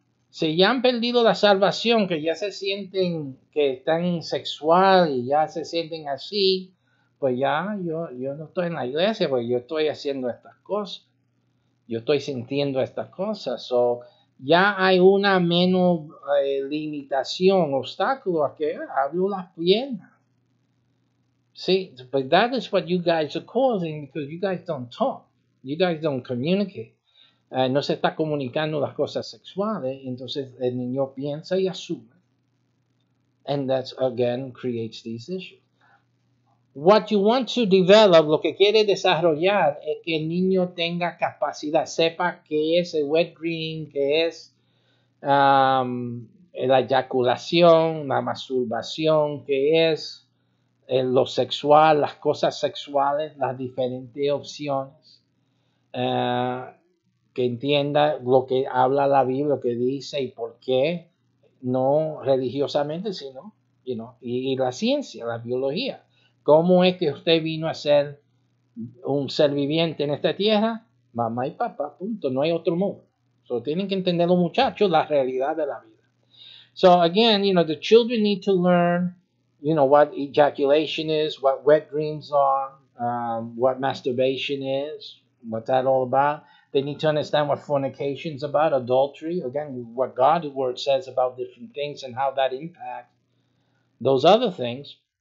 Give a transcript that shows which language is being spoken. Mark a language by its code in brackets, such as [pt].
[es] Si ya han perdido la salvación, que ya se sienten que están sexual y ya se sienten así, pues ya, yo no estoy en la iglesia, pues yo estoy haciendo estas cosas. Yo estoy sintiendo estas cosas. So, ya hay una menos limitación, obstáculo, a que abro las piernas. [en] See, but that is what you guys are causing because you guys don't talk. You guys don't communicate. [es] No se está comunicando las cosas sexuales. Entonces, el niño piensa y asume. [en] And that, again, creates these issues. What you want to develop, [es] lo que quiere desarrollar, es que el niño tenga capacidad, sepa qué es el wet dream, qué es la eyaculación, la masturbación, qué es lo sexual, las cosas sexuales, las diferentes opciones. Que entienda lo que habla la Biblia, lo que dice y por qué, no religiosamente, sino, you know, y la ciencia, la biología. ¿Cómo es que usted vino a ser un ser viviente en esta tierra? Mamá y papá, punto. No hay otro modo. So, tienen que entender los muchachos la realidad de la vida. [en] So, again, you know, the children need to learn, you know, what ejaculation is, what wet dreams are, what masturbation is, what that all about. They need to understand what fornication is about, adultery. Again, what God's word says about different things and how that impacts those other things.